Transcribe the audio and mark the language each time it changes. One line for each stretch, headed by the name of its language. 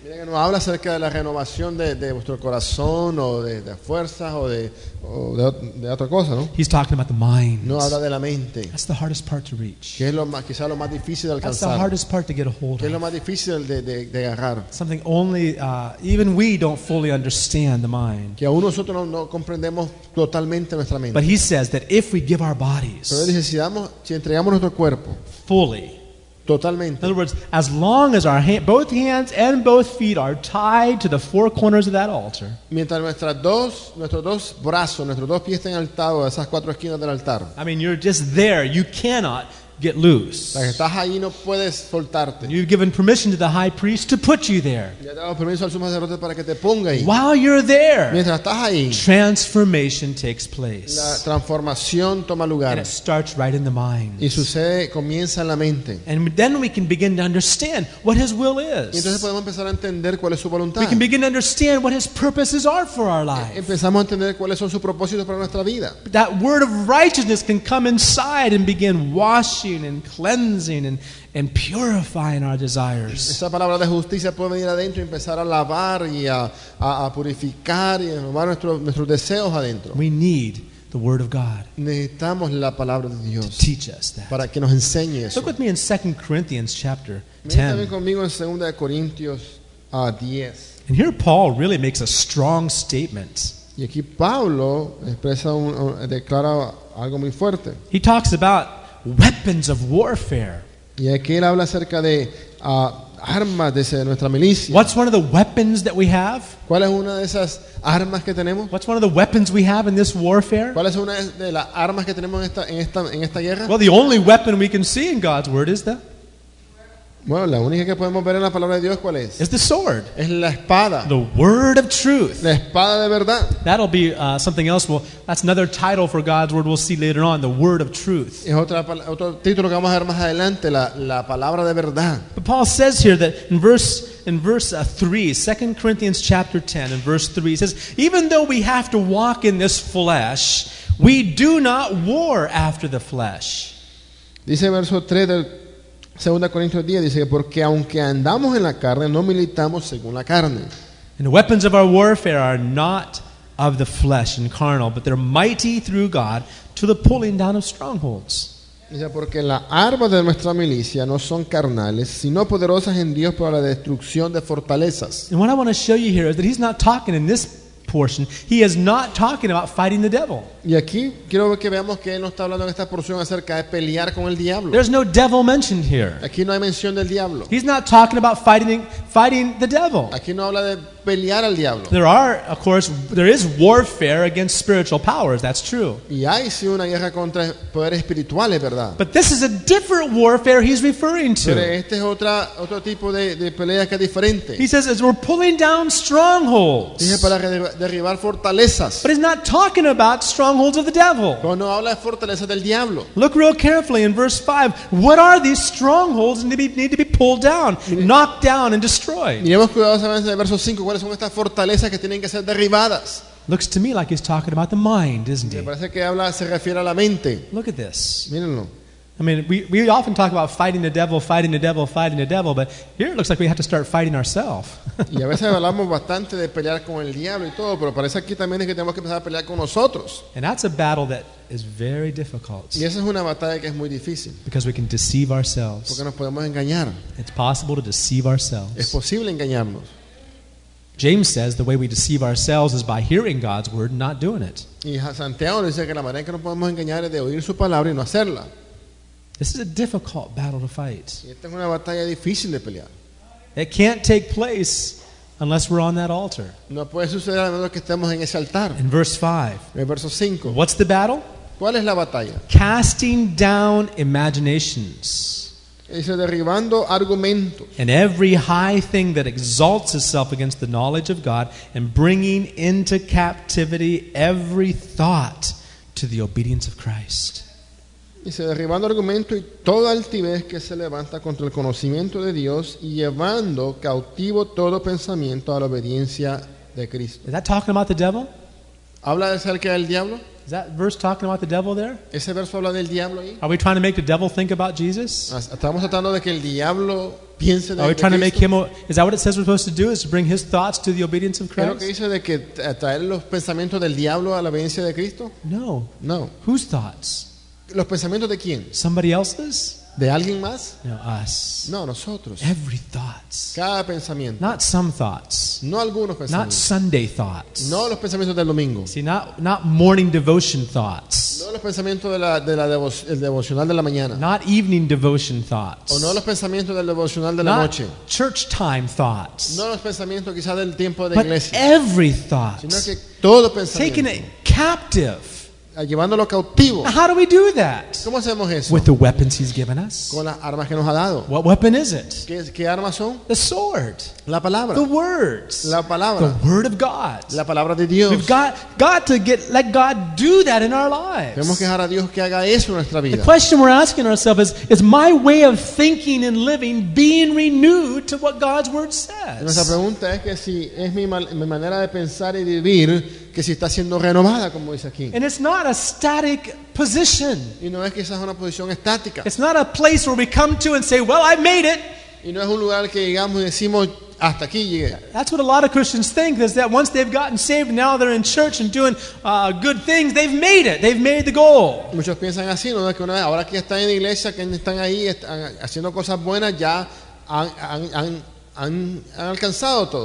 Spanish: Mira que no habla acerca de la renovación de vuestro corazón o de fuerzas o de otra cosa, ¿no?
English: He's talking about the mind.
Spanish: No habla de la mente.
English: That's the hardest part to reach.
Spanish: Que es quizá lo más difícil de alcanzar.
English: That's the hardest part to get a hold of.
Spanish: Que es lo más difícil de agarrar.
English: Something only even we don't fully understand the mind.
Spanish: Que aún nosotros no comprendemos totalmente nuestra mente.
English: But he says that if we give our bodies.
Spanish: Pero él dice si entregamos nuestro cuerpo.
English: Fully.
Spanish: Totalmente.
English: In other words, as long as our both hands and both feet are tied to the four corners of that altar.
Spanish: Mientras nuestros dos brazos, nuestros dos pies estén atados a esas cuatro esquinas del altar.
English: I mean, you're just there. You cannot get loose.
Spanish: O sea, que estás ahí, no puedes soltarte.
English: You've given permission to the high priest to put you there.
Spanish: Ya te he dado permiso al sumo sacerdote para que te ponga ahí.
English: While you're there,
Spanish: mientras estás ahí,
English: transformation takes place.
Spanish: La transformación toma lugar.
English: And it starts right in the mind.
Spanish: Y sucede, comienza en la mente.
English: And then we can begin to understand what His will is.
Spanish: Y entonces podemos empezar a entender cuál es su voluntad.
English: We can begin to understand what His purposes are for our lives.
Spanish: Empezamos a entender cuáles son sus propósitos para nuestra vida.
English: That word of righteousness can come inside and begin washing and cleansing and purifying our desires.
Spanish: Esa palabra de justicia puede venir adentro y empezar a lavar y a purificar y a renovar nuestros deseos adentro.
English: We need the word of God.
Spanish: Necesitamos la palabra de Dios.
English: To teach us that.
Spanish: Para que nos enseñe eso.
English: Look with me in 2 Corinthians chapter 10.
Spanish: Mira conmigo en 2 Corintios 10.
English: And here Paul really makes a strong statement.
Spanish: Y aquí Pablo expresa declara algo muy fuerte.
English: He talks about weapons of warfare.
Spanish: Y aquí él habla acerca de armas de nuestra milicia.
English: What's one of the weapons that we have?
Spanish: ¿Cuál es una de esas armas que tenemos?
English: What's one of the weapons we have in this warfare?
Spanish: ¿Cuál es una de las armas que tenemos en esta guerra?
English: Well, the only weapon we can see in God's word is the.
Spanish: Bueno, la única que podemos ver en la palabra de Dios, ¿cuál es?
English: Is the sword.
Spanish: Es la espada.
English: The word of truth.
Spanish: La espada de verdad.
English: That'll be something else. Well, that's another title for God's word. We'll see later on. The word of truth.
Spanish: Es otro título que vamos a ver más adelante. La palabra de verdad.
English: But Paul says here that in verse 3, 2 Corinthians chapter 10, in verse 3, he says, even though we have to walk in this flesh, we do not war after the flesh.
Spanish: Dice en verso 3 del 2 Corintios 10 dice, porque aunque andamos en la carne, no militamos según la carne.
English: And the weapons of our warfare are not of the flesh and carnal, but they're mighty through God to the pulling down of strongholds.
Spanish: Dice, porque las armas de nuestra milicia no son carnales, sino poderosas en Dios para la destrucción de fortalezas.
English: And what I want to show you here is that he's not talking in this portion, he is not talking about fighting the devil.
Spanish: Y aquí quiero que veamos que él no está hablando en esta porción acerca de pelear con el diablo.
English: There's no devil mentioned here.
Spanish: Aquí no hay mención del diablo.
English: He's not talking about fighting the devil.
Spanish: Aquí no habla de pelear al diablo.
English: There are, of course, there is warfare against spiritual powers. That's true.
Spanish: Y hay sí una guerra contra poderes espirituales, ¿verdad?
English: But this is a different warfare he's referring to.
Spanish: Pero este es otro tipo de pelea que es diferente.
English: He says, as we're pulling down strongholds.
Spanish: Dice para derribar fortalezas.
English: But he's not talking about strongholds of the devil.
Spanish: Pero no habla de fortalezas del diablo.
English: Look real carefully in verse 5. What are these strongholds that need to be pulled down, knocked down, and destroyed?
Spanish: Miremos cuidadosamente en el verso 5. ¿Cuáles son estas fortalezas que tienen que ser derribadas?
English: Looks to me like he's talking about the mind, isn't he?
Spanish: Me parece que habla, se refiere a la mente.
English: Look at this.
Spanish: Mírenlo.
English: I mean, we often talk about fighting the devil, but here it looks like we have to start fighting ourselves.
Spanish: Y a veces hablamos bastante de pelear con el diablo y todo, pero parece aquí también es que tenemos que empezar a pelear con nosotros.
English: And that's a battle that is very difficult.
Spanish: Y esa es una batalla que es muy difícil.
English: Because we can deceive ourselves.
Spanish: Porque nos podemos engañar.
English: It's possible to deceive ourselves.
Spanish: Es posible engañarnos.
English: James says the way we deceive ourselves is by hearing God's word and not doing it.
Spanish: Y Santiago dice que la manera en que nos podemos engañar es de oír su palabra y no hacerla.
English: This is a difficult battle to fight.
Spanish: Y esta es una batalla difícil de pelear.
English: It can't take place unless we're on that altar.
Spanish: No puede suceder a menos que estemos en ese altar.
English: In verse 5.
Spanish: En verso 5.
English: What's the battle?
Spanish: ¿Cuál es la batalla?
English: Casting down imaginations.
Spanish: Ese derribando argumentos.
English: And every high thing that exalts itself against the knowledge of God, and bringing into captivity every thought to the obedience of Christ.
Spanish: Dice, derribando argumentos y toda altivez que se levanta contra el conocimiento de Dios y llevando cautivo todo pensamiento a la obediencia de Cristo.
English: Is that talking about the devil?
Spanish: ¿Habla acerca del diablo?
English: Is that verse talking about the devil there?
Spanish: ¿Ese verso habla del diablo ahí?
English: Are we trying to make the devil think about Jesus?
Spanish: ¿Estamos tratando de que el diablo piense de
English: Are we trying to make him, is that what it says we're supposed to do? Is to bring his thoughts to the obedience of Christ?
Spanish: ¿Qué dice de que traer los pensamientos del diablo a la obediencia de Cristo? No. No.
English: Whose thoughts?
Spanish: ¿Los pensamientos de quién?
English: Somebody else's?
Spanish: ¿De alguien más?
English: No, us.
Spanish: No, nosotros.
English: Every thoughts.
Spanish: Cada pensamiento.
English: Not some thoughts.
Spanish: No algunos pensamientos.
English: Not Sunday thoughts.
Spanish: No los pensamientos del domingo.
English: See, not morning devotion thoughts.
Spanish: No los pensamientos del devocional de la mañana.
English: Not evening devotion thoughts.
Spanish: O no los pensamientos del devocional de
English: not
Spanish: la noche.
English: Not church time thoughts.
Spanish: No los pensamientos quizá del tiempo de
English: but
Spanish: iglesia.
English: But every thought.
Spanish: Sino que todo pensamiento.
English: Taking it captive.
Spanish: Llevándolo cautivo.
English: How do we do that?
Spanish: ¿Cómo hacemos eso?
English: With the weapons he's given us.
Spanish: Con las armas que nos ha dado.
English: What weapon is it?
Spanish: ¿Qué armas son?
English: The sword.
Spanish: La palabra.
English: The words.
Spanish: La palabra.
English: The word of God.
Spanish: La palabra de Dios.
English: We've got to get let God do that in our lives.
Spanish: Tenemos que dejar a Dios que haga eso en nuestra vida.
English: The question we're asking ourselves is my way of thinking and living being renewed to what God's word says?
Spanish: Nuestra pregunta es que si es mi manera de pensar y vivir que si está siendo renovada como dice aquí.
English: And it's not a static position.
Spanish: Y no es que esa es una posición estática.
English: It's not a place where we come to and say, "Well, I made it."
Spanish: Y no es un lugar que llegamos y decimos hasta aquí llegué.
English: That's what a lot of Christians think is that once they've gotten saved, now they're in church and doing good things, they've made it. They've made the goal.
Spanish: Muchos piensan así, no es que una vez ahora que están en la iglesia, que están ahí haciendo cosas buenas, ya han alcanzado todo.